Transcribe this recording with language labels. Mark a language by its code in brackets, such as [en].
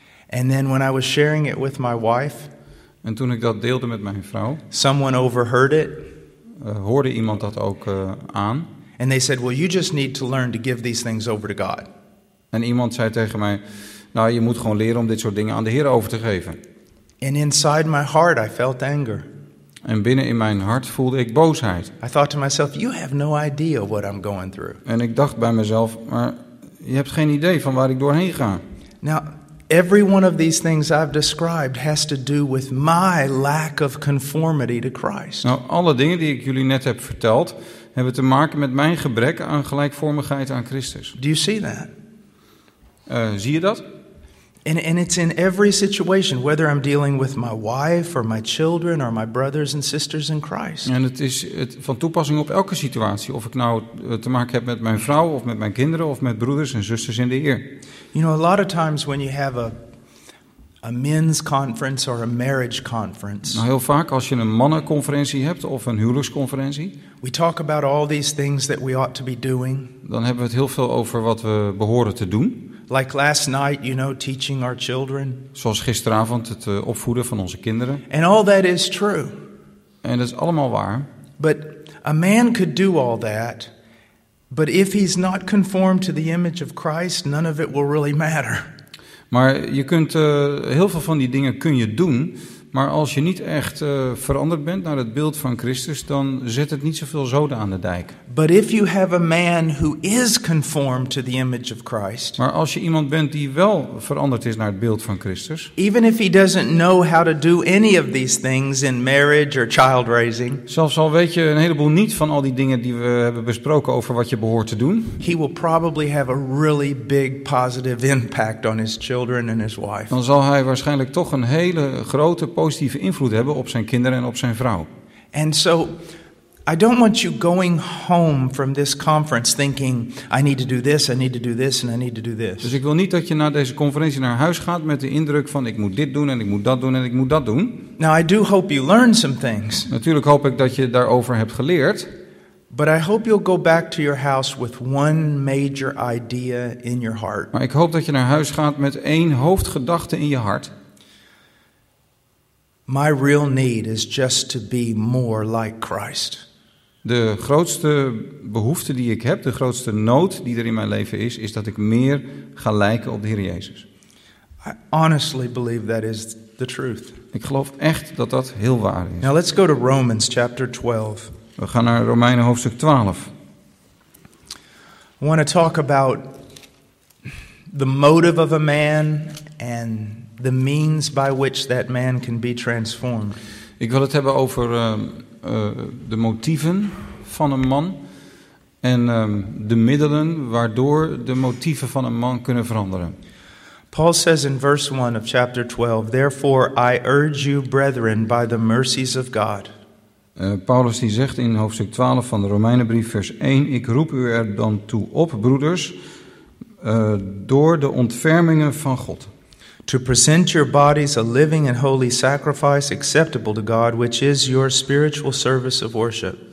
[en] And then when I was sharing it with my wife, [nl] en toen ik dat deelde met mijn vrouw, [en] someone overheard it. [nl] Hoorde iemand dat ook aan? [en] And they said, "Well, you just need to learn to give these things over to God." [nl] En iemand zei tegen mij, "Nou, je moet gewoon leren om dit soort dingen aan de Heer over te geven." [en] And inside my heart, I felt anger. [nl] En binnen in mijn hart voelde ik boosheid. [en] I thought to myself, "You have no idea what I'm going through." [nl] En ik dacht bij mezelf, maar je hebt geen idee van waar ik doorheen ga. [en] Now, every one of these things I've described has to do with my lack of conformity to Christ. [nl] Nou, alle dingen die ik jullie net heb verteld, hebben te maken met mijn gebrek aan gelijkvormigheid aan Christus. [en] Do you see that? [nl] Zie je dat? [en] And it's in every situation, whether I'm dealing with my wife or my children or my brothers and sisters in Christ. [nl] En het is het van toepassing op elke situatie, of ik nou te maken heb met mijn vrouw of met mijn kinderen of met broeders en zusters in de Heer. [en] You know, a lot of times when you have a men's conference or a marriage conference. [nl] Nou, heel vaak als je een mannenconferentie hebt of een huwelijksconferentie. [en] We talk about all these things that we ought to be doing. [nl] Dan hebben we het heel veel over wat we behoren te doen. [en] Like last night, you know, teaching our children. [nl] Zoals gisteravond het opvoeden van onze kinderen. [en] And all that is true. [nl] En dat is allemaal waar. [en] But a man could do all that, but if he's not conformed to the image of Christ, none of it will really matter. [nl] Maar je kunt heel veel van die dingen kun je doen, maar als je niet echt veranderd bent naar het beeld van Christus, dan zet het niet zoveel zoden aan de dijk. [en] But if you have a man who is conformed to the image of Christ. [nl] Maar als je iemand bent die wel veranderd is naar het beeld van Christus. [en] Even if he doesn't know how to do any of these things in marriage or child raising. [nl] Zelfs al weet je een heleboel niet van al die dingen die we hebben besproken over wat je behoort te doen. [en] He will probably have a really big positive impact on his children and his wife. [nl] Dan zal hij waarschijnlijk toch een hele grote positieve invloed hebben op zijn kinderen en op zijn vrouw. [en] And so I don't want you going home from this conference thinking I need to do this, I need to do this and I need to do this. [nl] Dus ik wil niet dat je naar deze conferentie naar huis gaat met de indruk van ik moet dit doen en ik moet dat doen en ik moet dat doen. [en] Now I do hope you learn some things. [nl] Natuurlijk hoop ik dat je daarover hebt geleerd. [en] But I hope you'll go back to your house with one major idea in your heart. [nl] Maar ik hoop dat je naar huis gaat met één hoofdgedachte in je hart. [en] My real need is just to be more like Christ. [nl] De grootste behoefte die ik heb, de grootste nood die er in mijn leven is, is dat ik meer ga lijken op de Heer Jezus. [en] I honestly believe that is the truth. [nl] Ik geloof echt dat dat heel waar is. [en] Now let's go to Romans chapter 12. [nl] We gaan naar Romeinen hoofdstuk 12. [en] I want to talk about the motive of a man and the means by which that man can be transformed. [nl] Ik wil het hebben over de motieven van een man en de middelen waardoor de motieven van een man kunnen veranderen. [en] Paul says in verse 1 of chapter 12, "Therefore I urge you, brethren, by the mercies of God." [nl] Paulus die zegt in hoofdstuk 12 van de Romeinenbrief vers 1, "Ik roep u er dan toe op, broeders, door de ontfermingen van God." [en] To present your bodies a living and holy sacrifice acceptable to God, which is your spiritual service of worship.